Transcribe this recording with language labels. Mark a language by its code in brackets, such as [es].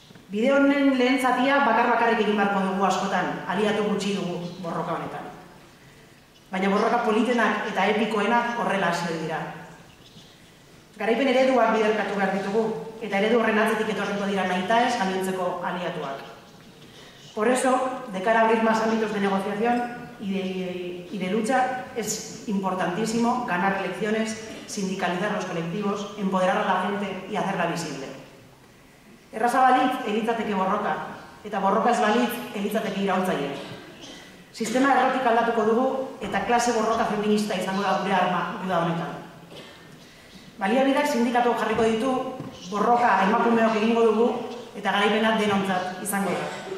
[eu] Bide honen lehen zatia bakar-bakarrik egin beharko dugu askotan, aliatu gutxi dugu borroka honetan. Baina borroka politenak eta epikoenak horrela hasi dira. Garaipen ereduak biderkatu behar ditugu, eta eredu horren atzetik etorriko dira nahita ez gamintzeko aliatuak. [es] Por eso, de cara a abrir más ámbitos de negociación y de lucha, es importantísimo ganar elecciones, sindicalizar los colectivos, empoderar a la gente y hacerla visible. [eu] Erraza balitz, elitzateke borroka, eta borroka ez balitz, elitzateke iraultzaile. Sistema errotik aldatuko dugu, eta klase borroka feminista izango da gure arma duda honetan. Baliabideak sindikatuak jarriko ditu, borroka emakumeok egingo dugu, eta garaipena denontzat izango da.